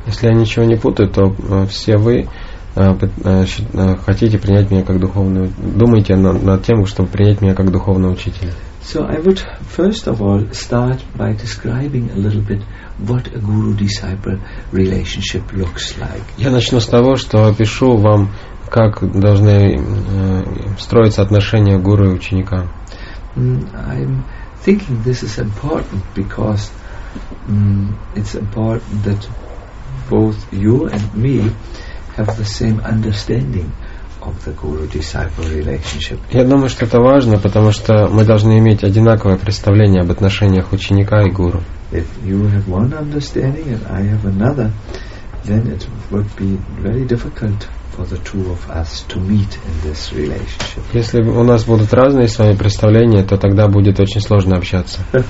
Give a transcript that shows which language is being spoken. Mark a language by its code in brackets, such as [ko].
[ru] Если я ничего не путаю, то все вы хотите принять меня как духовного, думаете над тем, чтобы принять меня как духовного учителя. [en] So I would first of all start by describing a little bit what a guru-disciple relationship looks like. [ru] Я начну с того, что опишу вам, как должны строиться отношения гуру и ученика. [en] I'm thinking this is important because it's important that both you and me have the same understanding of the guru-disciple relationship. [ru] Я думаю, что это важно, потому что мы должны иметь одинаковое представление об отношениях ученика и гуру. [en] If you have one understanding and I have another, then it would be very difficult for the two of us to meet in this relationship. [ru] Если у нас будут разные с вами представления, то тогда будет очень сложно общаться.